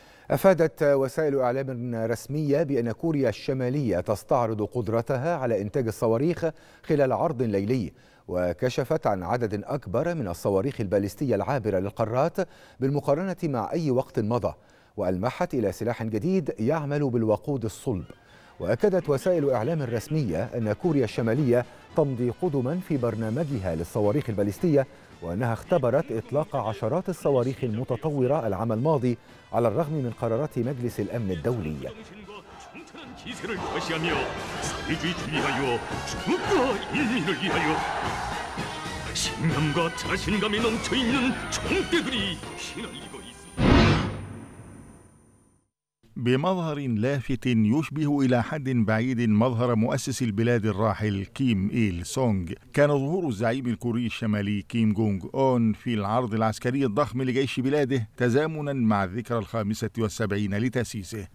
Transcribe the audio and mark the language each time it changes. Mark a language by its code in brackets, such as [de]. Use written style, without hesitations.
[ar] أفادت وسائل إعلام رسمية بأن كوريا الشمالية تستعرض قدرتها على إنتاج الصواريخ خلال عرض ليلي، وكشفت عن عدد أكبر من الصواريخ الباليستية العابرة للقارات بالمقارنة مع أي وقت مضى، وألمحت إلى سلاح جديد يعمل بالوقود الصلب. وأكدت وسائل إعلام رسمية أن كوريا الشمالية تمضي قدما في برنامجها للصواريخ الباليستية، وأنها اختبرت إطلاق عشرات الصواريخ المتطورة العام الماضي على الرغم من قرارات مجلس الأمن الدولي. [ko] 강한 지세를 과시하며 사회주의를 위하여 중국과 인민을 위하여 신념과 자신감이 넘쳐있는 총대들이 휘날리고 있습니다. [ar] بمظهر لافت يشبه إلى حد بعيد مظهر مؤسس البلاد الراحل كيم إيل سونغ، كان ظهور الزعيم الكوري الشمالي كيم جونغ أون في العرض العسكري الضخم لجيش بلاده تزامنا مع الذكرى 75 لتأسيسه.